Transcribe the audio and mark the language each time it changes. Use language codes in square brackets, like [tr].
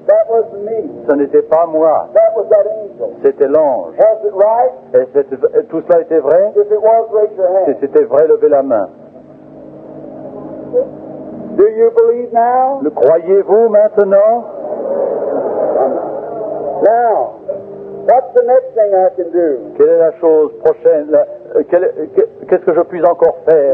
[en] That was me. [fr] Ce n'était pas moi. [en] That was that angel. [fr] C'était l'ange. [en] Was it right? [fr] Et tout cela était vrai? [en] If it was, raise your hand. [fr] Si c'était vrai, levez la main. [en] Do you believe now? [fr] Le croyez-vous maintenant? [en] Now, what's the next thing I can do? [fr] Quelle est la chose prochaine? Qu'est-ce que je puis encore faire?